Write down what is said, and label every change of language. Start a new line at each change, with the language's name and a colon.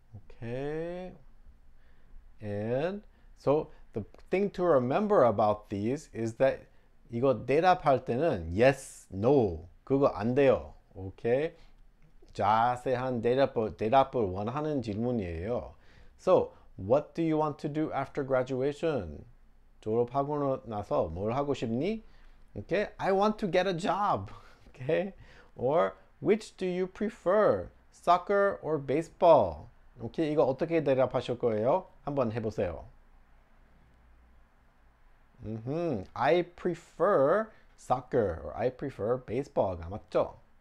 English: Okay, and so the thing to remember about these is that
Korean: 이거 대답할 때는
English: yes, no,
Korean: 그거 안 돼요. Okay, 자세한 대답을 원하는 질문이에요.
English: So, what do you want to do after graduation?
Korean: 졸업하고 나서 뭘 하고 싶니?
English: Okay, I want to get a job. Okay, or which do you prefer, soccer or baseball?
Korean: Okay, 이거 어떻게 대답하실 거예요? 한번 해보세요.
English: Mm-hmm. I prefer soccer or I prefer baseball가 맞죠?